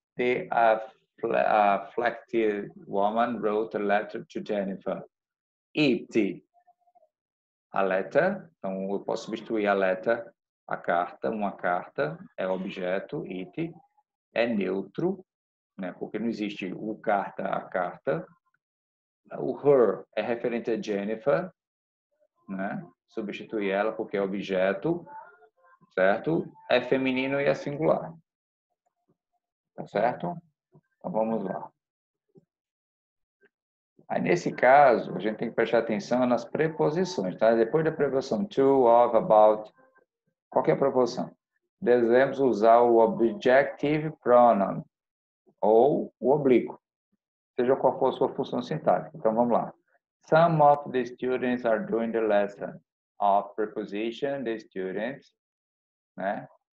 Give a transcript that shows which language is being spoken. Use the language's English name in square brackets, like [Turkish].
[English] The afflicted woman wrote a letter to Jennifer. It. A letter. [Portuguese] Então, eu posso substituir [English] a letter, [Portuguese] a carta. Uma carta é objeto, it. É neutro, né? Porque não existe o carta, a carta. O her é referente a Jennifer. Né? Substituir ela porque é objeto, Certo? É feminino e é singular. Tá certo? Então, vamos lá. Aí, nesse caso, a gente tem que prestar atenção nas preposições, tá? Depois da preposição to, of, about, qual que é a preposição? Devemos usar o objective pronoun ou o oblíquo, seja qual for a sua função sintática. Então, vamos lá. [English] Some of the students are doing the lesson of preposition, the students, né?